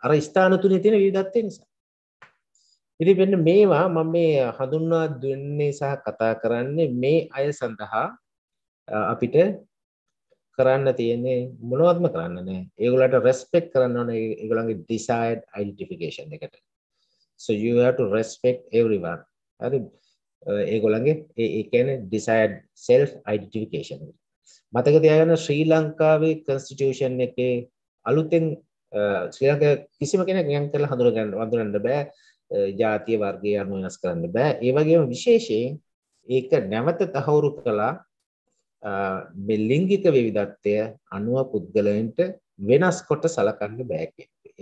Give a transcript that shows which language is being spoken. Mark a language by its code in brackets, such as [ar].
[si] අර ස්ථාන තුනේ තියෙන විවිධත්වය නිසා. ඉතින් මෙන්න මේවා මම මේ හඳුන්වා දෙන්නේ සහ කතා කරන්නේ මේ අය සඳහා අපිට කරන්න තියෙන්නේ මොනවත්ම කරන්න නැහැ. ඒගොල්ලන්ට රෙස්පෙක්ට් කරන්න ඕනේ ඒගොල්ලන්ගේ [en] desired identification [si] එකට. [en] So you have to respect everyone. [si] හරි. ඒගොල්ලන්ගේ ඒ කියන්නේ [en] desired self identification. [si] මතක තියාගන්න ශ්‍රී ලංකාවේ constitution එකේ අලුතෙන් ශ්‍රී ලංකාව කිසිම කෙනෙක් නියම් කරලා හඳුනගන්න බෑ. ජාතිය වර්ගය අනුව වෙනස් කරන්න බෑ. ඒ වගේම විශේෂයෙන් ඒක නැවත තහවුරු කළා මේ ලිංගික විවිධත්වය අනුව පුද්ගලයන්ට වෙනස් කොට සලකන්න බෑ කියන එක.